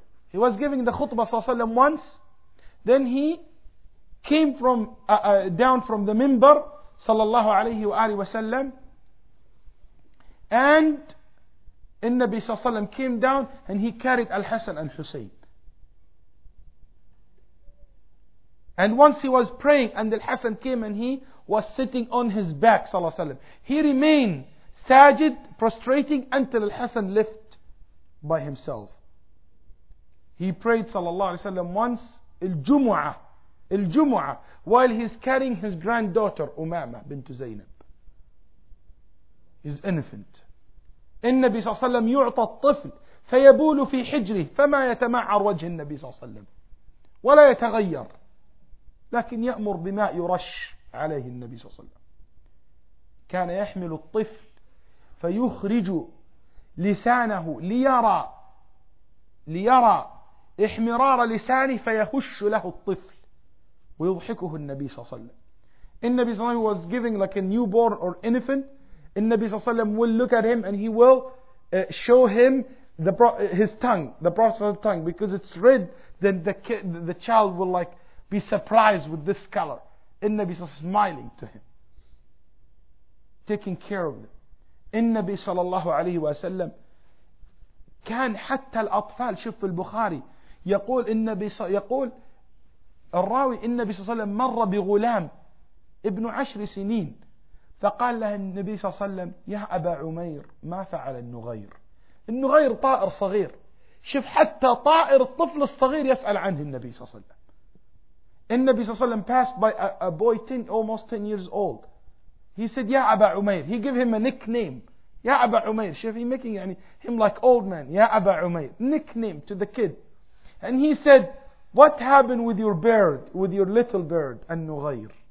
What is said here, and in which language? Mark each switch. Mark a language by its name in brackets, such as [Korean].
[English] He was giving the khutbah [Arabic] صلى الله عليه وسلم [English] once, then he came from down from the minbar [Arabic] صلى الله عليه وآله وسلم, [English] and [Arabic] النبي صلى الله عليه وسلم [English] came down and he carried الحسن والحسين, and once he was praying and الحسن came and he was sitting on his back صلى الله عليه وسلم, he remained ساجد prostrating until الحسن left by himself. He prayed [Arabic] صلى الله عليه وسلم [English] once الجمعة, الجمعة, while he's carrying his granddaughter أمامة بنت زينب, his infant. [Arabic] النبي صلى الله عليه وسلم يعطى الطفل فيبول في حجره فما يتمعر وجه النبي صلى الله عليه وسلم ولا يتغير, لكن يأمر بماء يرش عليه النبي صلى الله عليه وسلم. كان يحمل الطفل فيخرج لسانه ليرى احمرار لسانه فيهش له الطفل ويضحكه النبي صلى الله عليه وسلم. النبي صلى الله عليه وسلم [English] was giving like a newborn or infant. النبي صلى الله عليه وسلم will look at him and he will show him his tongue, the prophet's tongue, because it's red, then the child will like be surprised with this color. [Arabic] النبي صلى الله عليه وسلم [English] smiling to him, taking care of him. [Arabic] النبي صلى الله عليه وسلم كان حتى الأطفال, شوف البخاري يقول النبي يقول الراوي النبي صلى الله عليه وسلم مر بغلام ابن 10 سنين فقال له النبي صلى الله عليه وسلم يا أبا عمير ما فعل النغير. النغير طائر صغير, شوف حتى طائر الطفل الصغير يسأل عنه النبي صلى الله عليه وسلم. [English] النبي صلى الله عليه وسلم passed by a boy 10, almost 10 years old. He said, "Ya Aba Umair." He gave him a nickname. Ya Aba Umair. Shef, he making يعني, him like old man. Ya Aba Umair. Nickname to the kid. And he said, "What happened with your bird, with your little bird, An-Nughayr?"